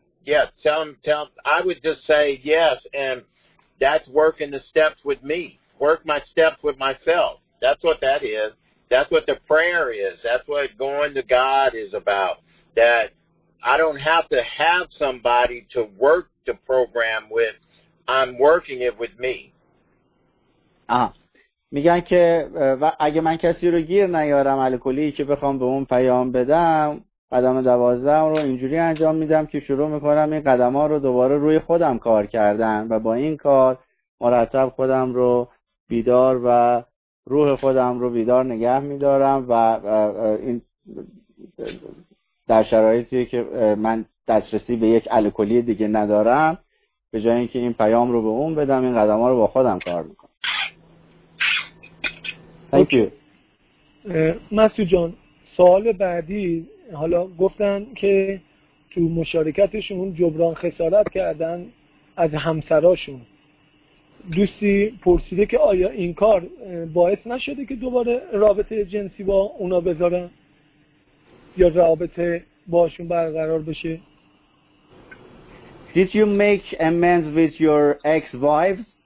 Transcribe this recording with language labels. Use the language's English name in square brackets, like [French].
[English] Yes, tell him, I would just say yes, and that's working the steps with me. Work my steps with myself. That's what that is. That's what the prayer is. That's what going to God is about. That I don't have to have somebody to work the program with. I'm working it with me. [Persian] میگن که اگه من کسی رو گیر نیارم الکلی که بخوام به اون پیام بدم، قدم 12 رو اینجوری انجام میدم که شروع میکنم این قدم ها رو دوباره روی خودم کار کردن و با این کار مرتب خودم رو بیدار و روح خودم رو بیدار نگه میدارم و این در شرایطی که من دسترسی به یک الکلی دیگه ندارم، به جای اینکه این پیام رو به اون بدم، این قدم ها رو با خودم کار میکنم. [English] Thank you. [Persian] مسیو جان، سوال بعدی، حالا گفتن که تو مشارکتشون جبران خسارت کردن از همسراشون. دوستی پرسیده که آیا این کار باعث نشده که دوباره رابطه جنسی با اونا بذارن یا رابطه باشون برقرار بشه؟ [English] Did you make amends with your ex-wives?